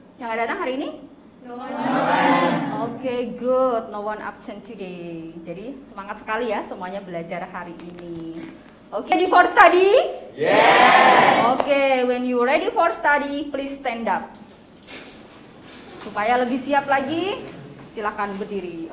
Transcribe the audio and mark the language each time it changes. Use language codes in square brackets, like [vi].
[id] Yang ada datang hari ini? [en] No one absent. Oke, good. No one absent today. [id] Jadi semangat sekali ya semuanya belajar hari ini. [en] Oke, ready for study? Yes. Oke, when you ready for study, please stand up. [id] Supaya lebih siap lagi, silakan berdiri.